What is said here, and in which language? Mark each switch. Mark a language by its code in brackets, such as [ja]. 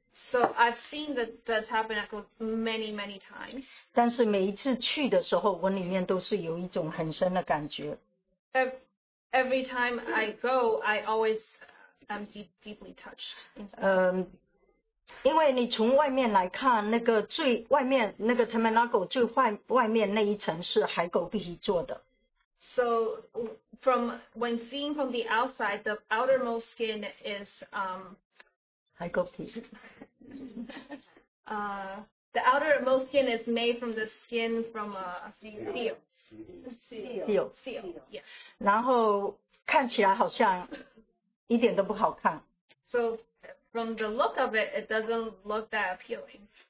[en] So I've seen the tabernacle many, many times. [zh] 但是每一次去的时候, 我里面都是有一种很深的感觉。 [en] Every time I go, I always am deeply touched. [zh] 因为你从外面来看，那个最外面那个 tabernacle 最外面那一层是海狗必须做的。 [en] So from when seen from the outside, the outermost skin is the outermost skin is made from the skin from a seal. [zh] 然后看起来好像一点都不好看。 [en] So from the look of it, it doesn't look that appealing.